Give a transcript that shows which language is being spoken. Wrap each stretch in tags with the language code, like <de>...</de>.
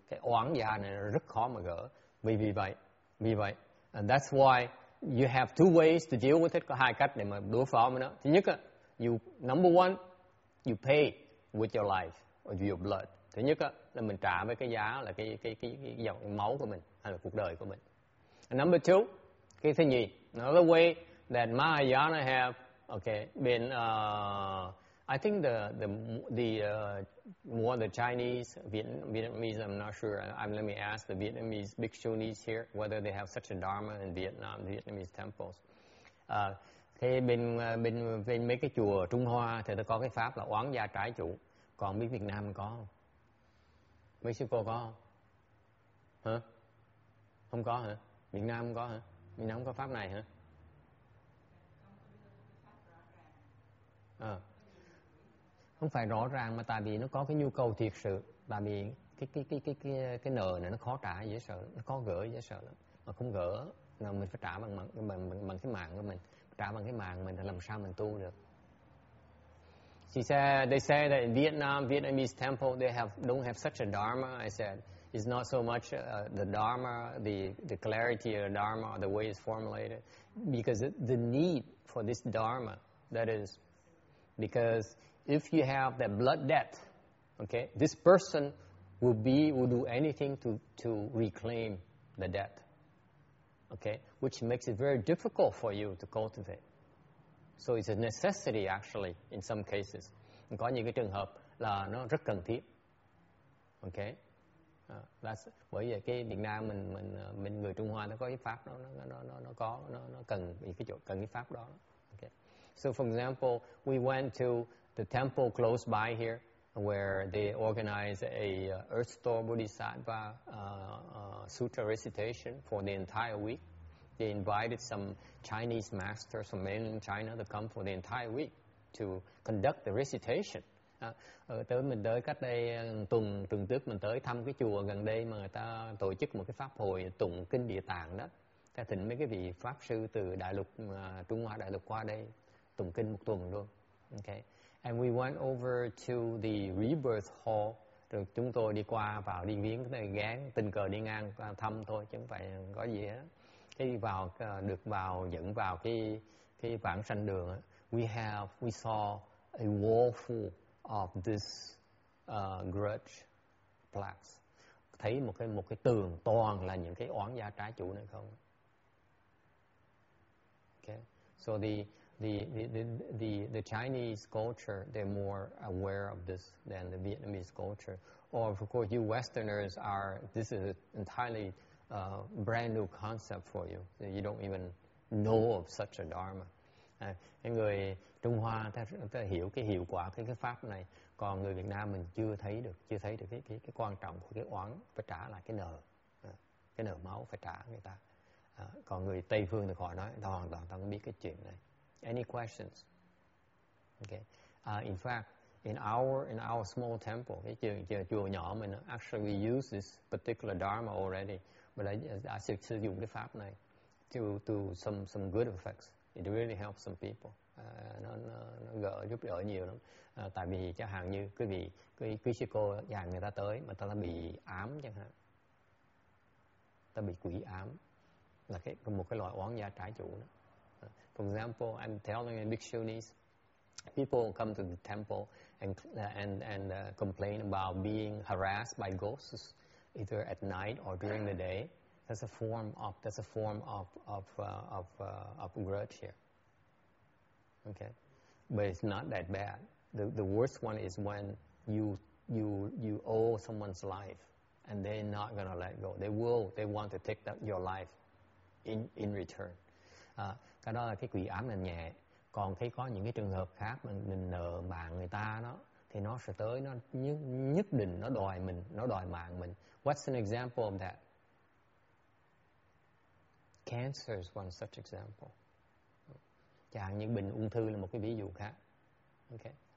<vi>Cái oán giả này rất khó mà gỡ. Vì vậy,</vi> <en>and that's why you have two ways to deal with it.</en> <vi>Có hai cách để mà đối phó với nó. Thứ nhất là,</vi> <en>number one, you pay with your life or with your blood.</en> <vi>Thứ nhất là mình trả với cái giá là cái dòng máu của mình hay là cuộc đời của mình.</vi> <en>And number two,</en> <vi>cái thứ nhì,</vi> <en>another way that Mahayana have I think the Chinese Vietnamese, I'm not sure. Let me ask the Vietnamese bhikshunis here whether they have such a dharma in Vietnam, Vietnamese temples.</en> <vi>Bên mấy cái chùa Trung Hoa thì ta có cái pháp là oán gia trái chủ. Còn biết Việt Nam có không? Mấy sư cô có không? Hả? Không có hả? Việt Nam không có hả? Việt Nam không có pháp này hả? Không phải rõ ràng mà tại vì nó có cái nhu cầu thiệt sự, tại vì cái nợ này nó khó trả dễ sợ, nó khó gỡ dễ sợ lắm. Mà không gỡ là mình phải trả bằng cái mạng của mình, trả bằng cái mạng mình thì làm sao mình tu được.</vi> <en>She said, they say that in Vietnam, Vietnamese temple, they don't have such a dharma. I said, it's not so much the dharma, the clarity of the dharma, the way it's formulated, because the need for this dharma, that is, because if you have that blood debt, okay, this person will do anything to reclaim the debt, okay, which makes it very difficult for you to cultivate. So it's a necessity actually in some cases.</en> <vi>Có những cái trường hợp là nó rất cần thiết, okay.</vi> <en>That's</en> <vi>bởi vì cái Việt Nam mình người Trung Hoa nó có cái pháp đó, nó cần cái chỗ cần cái pháp đó.</vi> <en>So, for example, we went to the temple close by here where they organized a Earth Store Bodhisattva sutra recitation for the entire week. They invited some Chinese masters from mainland China to come for the entire week to conduct the recitation.</en> <vi>Mình tới cách đây tuần trước mình tới thăm cái chùa gần đây mà người ta tổ chức một cái pháp hội tụng kinh Địa Tạng đó. Ta thỉnh mấy cái vị pháp sư từ đại lục Trung Hoa đại lục qua đây. Tụng kinh một tuần luôn. Okay.</vi> <en>And we went over to the rebirth hall.</en> <vi>Rồi chúng tôi đi qua vào đi viếng cái gán tình cờ đi ngang thăm thôi chứ không phải có gì hết. Cái vào được vào dẫn vào cái vãng sanh đường</vi> <en>we saw a wall full of this grudge plaques.</en> <vi>Thấy một cái tường toàn là những cái oán gia trái chủ này không?</vi> <en>Okay. So the Chinese culture, they're more aware of this than the Vietnamese culture. Or of course, you Westerners are, this is an entirely brand new concept for you. You don't even know of such a dharma.</en> <vi>Cái người Trung Hoa ta hiểu cái hiệu quả cái pháp này, còn người Việt Nam mình chưa thấy được cái quan trọng của cái oán phải trả lại cái nợ máu phải trả người ta. Còn người Tây phương thì khỏi nói, hoàn toàn không biết cái chuyện này.</vi> <en>Any questions? Okay. In fact, in our small temple,</en> <vi>chùa nhỏ mình</vi> <en>actually we use this particular dharma already, but I still</en> <vi>sử dụng cái pháp này</vi> <en>to some good effects. It really helps some people.</en> <vi>Nó gỡ giúp đỡ nhiều lắm. Tại vì chẳng hạn như quý vị quý sư cô dàn người ta tới mà ta bị ám chẳng hạn, ta bị quỷ ám là một cái loại oán gia trái chủ đó.</vi> <en>For example, I'm telling the bhikshunis, people come to the temple and complain about being harassed by ghosts, either at night or during the day. That's a form of grudge here. Okay, but it's not that bad. The worst one is when you owe someone's life, and they're not gonna let go. They want to take your life in return.</en> <vi>Cái đó là cái quỷ ám là nhẹ. Còn thấy có những cái trường hợp khác mình nợ mạng người ta đó, thì nó sẽ tới, nó nhất định nó đòi mình, nó đòi mạng mình.</vi> <en>What's an example of that? Cancer is one such example.</en> <vi>Chẳng hạn như bệnh ung thư là một cái ví dụ khác. Okay.</vi>